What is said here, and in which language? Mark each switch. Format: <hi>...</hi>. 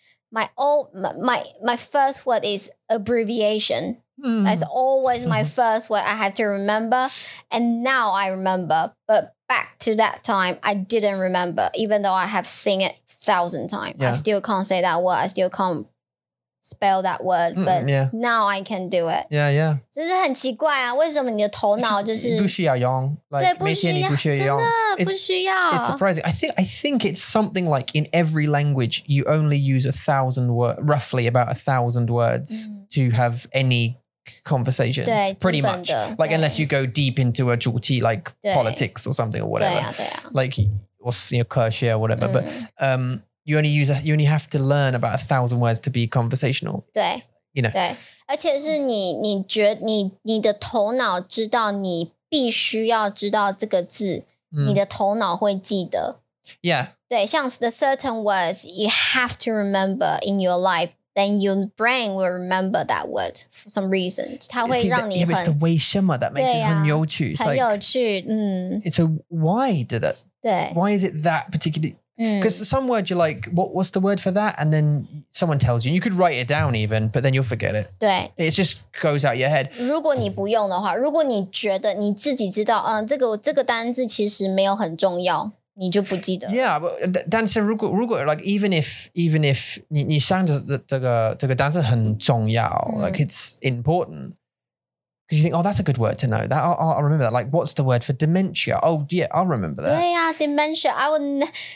<en>My first word is abbreviation. That's always my first word I have to remember. And now I remember. But back to that time, I didn't remember, even though I have seen it 1,000 times. Yeah. I still can't say that word. I still can't spell that word. But now I can do it. Yeah, yeah.</en> <zh>就是很奇怪啊，为什么你的头脑就是不需要用，对，不需要，真的不需要。</zh> <en>It's surprising. I think it's something like in every language, you only use 1,000 words, roughly about 1,000 words. Mm. To have any conversation,</en> <zh>对,</zh> <en>pretty much. Like, unless you go deep into a</en> <zh>主题,</zh> <en>like politics or something or whatever.</en> <zh>对啊,</zh> <en>like, or, you know,</en> <zh>科学</zh> <en>or whatever. But you only have to learn about 1,000 words to be conversational.</en> <zh>对,</zh> <en>you know.</en> <zh>对,而且是你的头脑知道你必须要知道这个字,你的头脑会记得。</zh> <en>Yeah.</en> <zh>对,像</zh> <en>the certain words you have to remember in your life,then your brain will remember that word for some reason. It's the</en> <zh>为什么</zh> <en>that makes</en> <zh>对啊,</zh> <en>it</en> <zh>很有趣.</zh> <en>It's</en> <zh>很有趣,</zh> <en>like, so why did it?</en> <zh>对,</zh> <en>why is it that particular? Because some words you're like, what's the word for that? And then someone tells you. You could write it down even, but then you'll forget it.</en> <zh>对,</zh> <en>it just goes out your head.</en> <zh>如果你不用的话,如果你觉得你自己知道,这个单字其实没有很重要。你就不记得。</zh> <en>Yeah, but</en> <zh>但是如果</zh> <en>like even if</en> <zh>你想着这个单词很重要</zh> <en>like it's important, because you think, oh, that's a good word to know. That I'll remember that. Like, what's the word for dementia? Oh, yeah, I'll remember that.</en> <zh>对呀，</zh> <en>dementia. I would.</en>